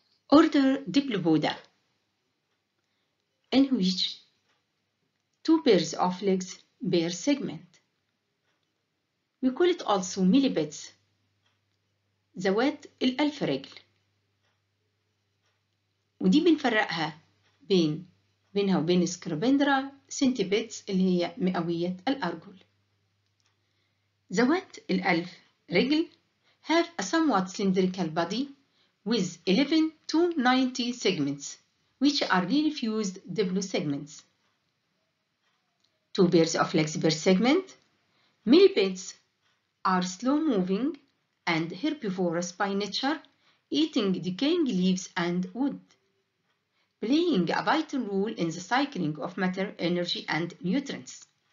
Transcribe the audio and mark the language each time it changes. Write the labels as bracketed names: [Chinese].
[English] Order Diplopoda, in which two pairs of legs bear segment. We call it also millipedes, ذوات الألف رجل. [Arabic] ودي بنفرقها بينها وبين سكربندرا سنتيبيدز اللي هي مئوية الأرجل. [English] ذوات الألف رجل have a somewhat cylindrical body with 11 to 90 segments which are really fused double segments. Two pairs of legs per segment. Millipedes are slow moving and herbivorous by nature, eating decaying leaves and wood, playing a vital role in the cycling of matter, energy, and nutrients.